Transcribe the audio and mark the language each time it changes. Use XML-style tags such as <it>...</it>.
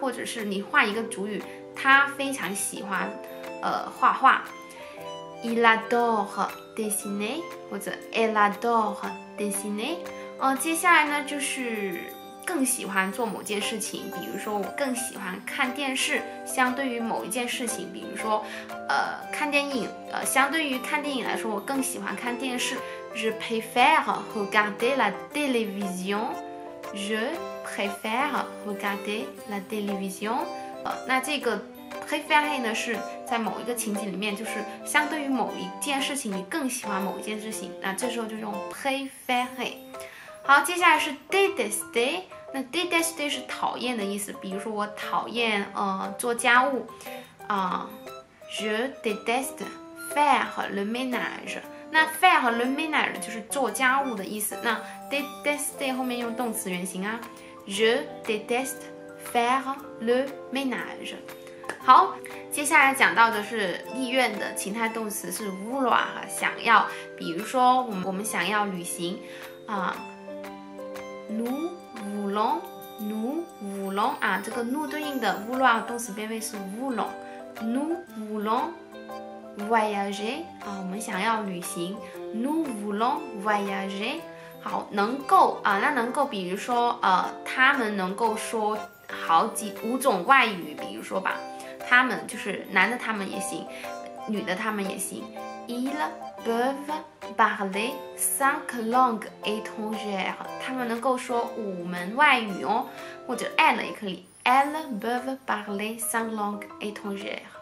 <zh>或者是你换一个主语，他非常喜欢画画，</zh> <fr>il adore dessiner</fr> <zh>或者</zh> <fr>elle adore dessiner。</fr> <zh>接下来呢就是更喜欢做某件事情，比如说我更喜欢看电视，相对于某一件事情，比如说看电影，相对于看电影来说，我更喜欢看电视。</zh> <fr>Je préfère regarder la télévision。 Je préfère regarder la télévision。</fr> <zh>那这个 préfère 呢是在某一个情景里面，就是相对于某一件事情，你更喜欢某一件事情，那这时候就用 préfère。好，接下来是 détester。那 détester 是讨厌的意思，比如说我讨厌做家务啊，</zh> <fr>je déteste faire le ménage。</fr> <zh>那 faire le ménage 就是做家务的意思，那 détester 后面用动词原形啊，</zh> <fr>je déteste faire le ménage。</fr> <zh>好，接下来讲到的是意愿的情态动词是 vouloir， 想要，比如说我们想要旅行啊，</zh> <fr>nous voulons</fr> <zh>啊，这个 nous 对应的 vouloir 动词变位是 voulons。</zh> <fr>nous voulons voyager 啊，</fr> <zh>我们想要旅行，</zh> <fr>nous voulons voyager。</fr> <zh>好，能够啊，那能够比如说他们能够说好几五种外语，比如说吧，他们就是男的他们也行，女的他们也行，</zh> <fr>ils peuvent parler cinq langues étrangères，</fr> <zh>他们能够说五门外语哦，或者 elle 也可以，</zh> <fr>elle peuvent parler cinq langues étrangères。</fr>